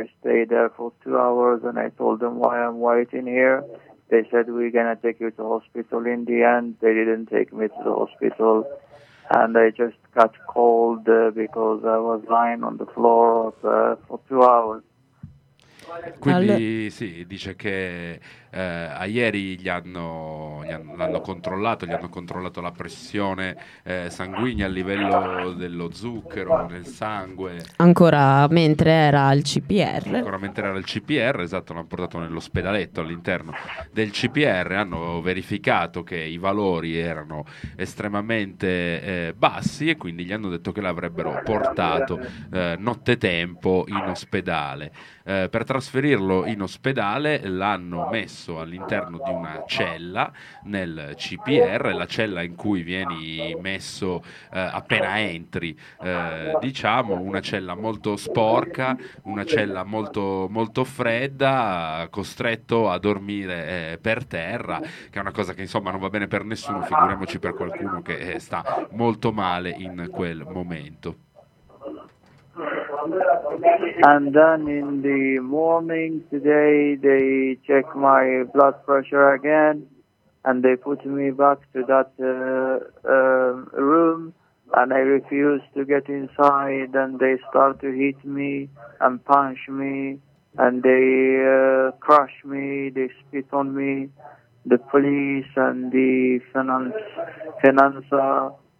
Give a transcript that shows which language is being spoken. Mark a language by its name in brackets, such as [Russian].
[English] I stayed there for 2 hours, and I told them why I'm waiting here. They said, we're going to take you to hospital. In the end, they didn't take me to the hospital. And I just got cold because I was lying on the floor for 2 hours. [Italian] Quindi sì, dice che a ieri gli hanno controllato la pressione sanguigna a livello dello zucchero nel sangue. Ancora mentre era al CPR, esatto, l'hanno portato nell'ospedaletto. All'interno del CPR hanno verificato che i valori erano estremamente bassi e quindi gli hanno detto che l'avrebbero portato nottetempo in ospedale. Per trasferirlo in ospedale l'hanno messo all'interno di una cella nel CPR, la cella in cui vieni messo appena entri, diciamo, una cella molto sporca, una cella molto, molto fredda, costretto a dormire per terra, che è una cosa che insomma non va bene per nessuno, figuriamoci per qualcuno che sta molto male in quel momento. [English] And then in the morning today, they check my blood pressure again, and they put me back to that room, and I refused to get inside, and they start to hit me and punch me, and they crush me, they spit on me, the police and the finanza.